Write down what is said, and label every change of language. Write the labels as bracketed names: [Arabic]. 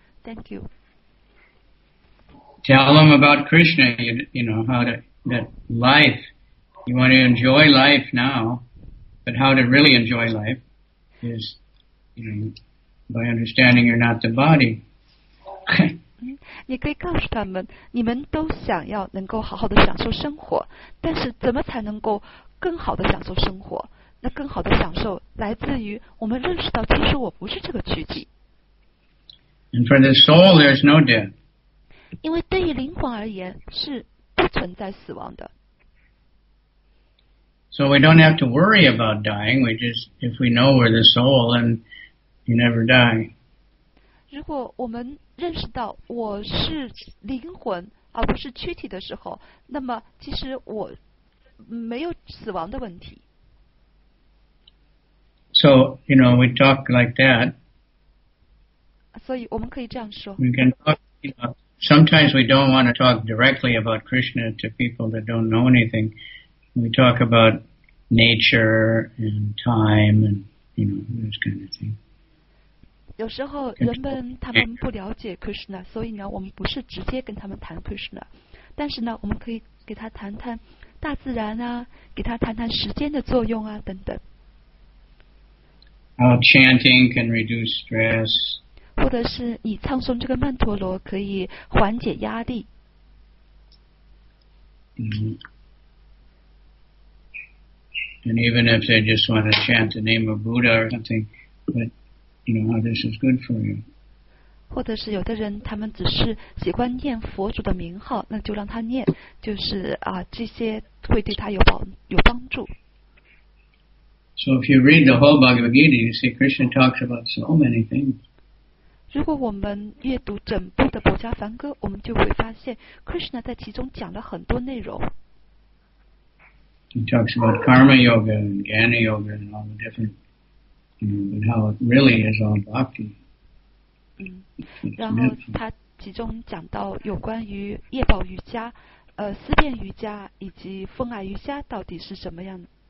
[English] Thank you. Tell them about Krishna, that life, you want to enjoy life now, but how to really enjoy life is, by understanding you're not the body. [Chinese] 你可以告诉他们，你们都想要能够好好的享受生活，但是怎么才能够更好的享受生活？那更好的享受来自于我们认识到，其实我不是这个躯体。 [English] And for the soul, there's no death. [Chinese] 因为对于灵魂而言是不存在死亡的。 [English] So we don't have to worry about dying. We just, if we know we're the soul, then you never die. [Chinese] 如果我们认识到我是灵魂而不是躯体的时候，那么其实我没有死亡的问题。 [English] So, you know, we talk like that. [Chinese] 所以我们可以这样说。 [English] We can talk, sometimes we don't want to talk directly about Krishna to people that don't know anything. We talk about nature and time and, those kind of things. [Chinese] 有时候人们他们不了解 Krishna， 所以呢，我们不是直接跟他们谈 Krishna， 但是呢，我们可以给他谈谈大自然啊，给他谈谈时间的作用啊，等等。 [English] How chanting can reduce stress， [Chinese] 或者是你唱诵这个曼陀罗可以缓解压力。 [English] And even if they just want to chant the name of Buddha or something, but. How this is good for you. [Chinese] 或者是有的人他们只是喜欢念佛祖的名号，那就让他念，就是这些会对他有帮助。 [English] So if you read the whole Bhagavad Gita, you see Krishna talks about so many things. [Chinese] 如果我们阅读整部的《薄伽梵歌》，我们就会发现 Krishna 在其中讲了很多内容。 [English] He talks about Karma Yoga and Jnana Yoga and all the different. And how it really is all bhakti. [Chinese] 然后他其中讲到有关于业报瑜伽、思辨瑜伽以及风爱瑜伽到底是什么样的。